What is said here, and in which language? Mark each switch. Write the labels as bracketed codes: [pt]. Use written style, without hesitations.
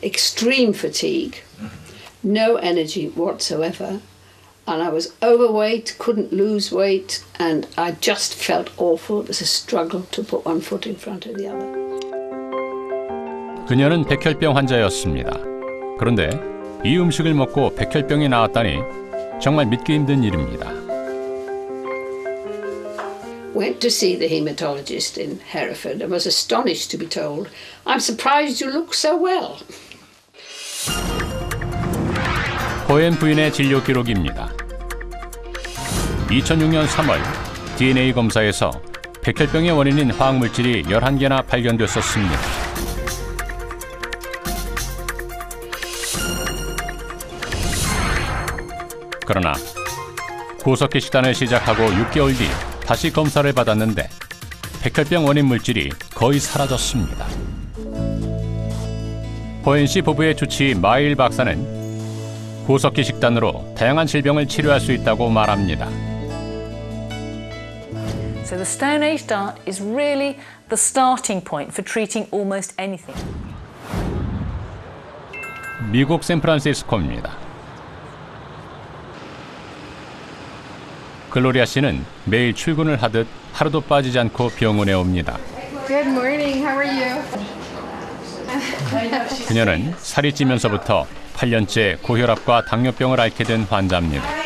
[en] Extreme fatigue, no energy whatsoever, and I was overweight, couldn't lose weight, and I just felt awful. It was a struggle to put one foot in front of the other. [ko] 그녀는 백혈병 환자였습니다. 그런데 이 음식을 먹고 백혈병이 나왔다니 정말 믿기 힘든 일입니다. [en] Went to see the hematologist in Hereford and was astonished to be told, I'm surprised you look so well. [ko] 코엔 부인의 진료 기록입니다. 2006년 3월 DNA 검사에서 백혈병의 원인인 화학물질이 11개나 발견됐었습니다. (웃음) 고석기 식단을 시작하고 6개월 뒤 다시 검사를 받았는데 백혈병 원인 물질이 거의 사라졌습니다. 코엔 씨 부부의 주치의 마일 박사는 고석기 식단으로 다양한 질병을 치료할 수 있다고 말합니다. [en] So the Stone Age diet is really the starting point for treating almost anything. [ko] 미국 샌프란시스코입니다. 글로리아 씨는 매일 출근을 하듯 하루도 빠지지 않고 병원에 옵니다. [en] Good morning. How are you? [ko] 그녀는 살이 찌면서부터 8년째 고혈압과 당뇨병을 앓게 된 환자입니다.